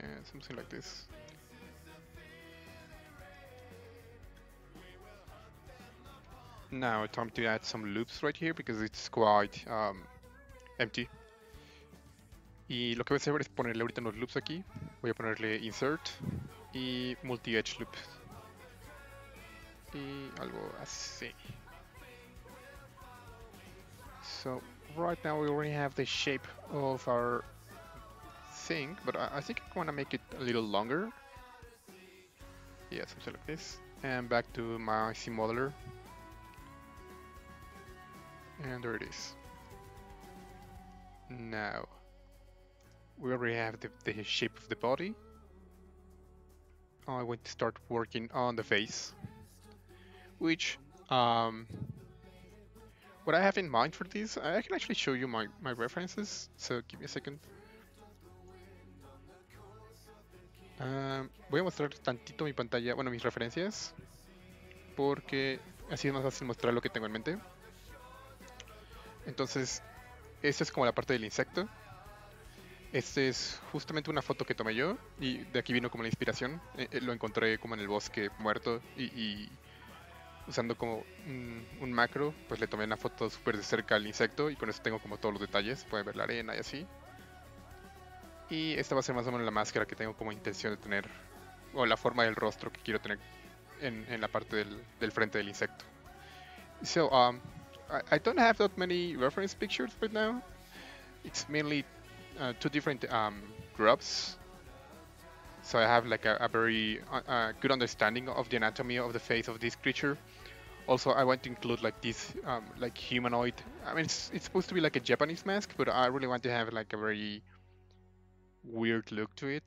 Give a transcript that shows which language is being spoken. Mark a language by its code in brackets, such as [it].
[en] Something like this. Now, time to add some loops right here because it's quite empty. [es] Y lo que voy a hacer es ponerle ahorita unos loops aquí. Voy a ponerle insert y multi-edge loop. Y algo así. [en] So, right now we already have the shape of our thing, but I think I want to make it a little longer. Yeah, something like this. And back to my sim modeler. And there it is. Now, we already have the shape of the body. I want to start working on the face, which what I have in mind for this, I can actually show you my references, so give me a second. [es] Voy a mostrar tantito mi pantalla, bueno, mis referencias, porque así es más fácil mostrar lo que tengo en mente. Entonces, esta es como la parte del insecto. Este es justamente una foto que tomé yo, y de aquí vino como la inspiración. Lo encontré como en el bosque muerto, y usando como un macro, pues le tomé una foto súper de cerca al insecto, y con eso tengo como todos los detalles, pueden ver la arena y así. Y esta va a ser más o menos la máscara que tengo como intención de tener, o la forma del rostro que quiero tener en la parte del frente del insecto. [en] So, I don't have that many reference pictures right now. It's mainly two different grubs. So I have like a very good understanding of the anatomy of the face of this creature. Also, I want to include like this like humanoid. I mean, it's supposed to be like a Japanese mask, but I really want to have like a very weird look to it.